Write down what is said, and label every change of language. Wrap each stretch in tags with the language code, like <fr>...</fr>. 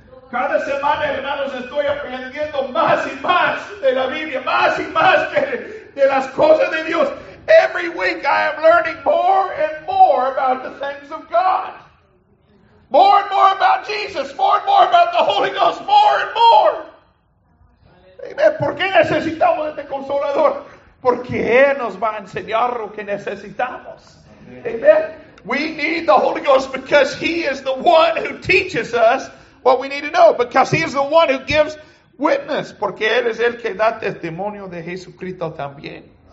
<es>Cada semana, hermanos, estoy aprendiendo más y más de la Biblia, más y más de las cosas de Dios.</es> <en>Every week I am learning more and more about the things of God. More and more about Jesus. More and more about the Holy Ghost. More and more. Amen.</en> <es>¿Por qué necesitamos este consolador? Porque Él nos va a enseñar lo que necesitamos.</es> <en>Amen. We need the Holy Ghost because He is the one who teaches us what we need to know. Because He is the one who gives witness.</en> <es>Porque Él es el que da testimonio de Jesucristo también.</es>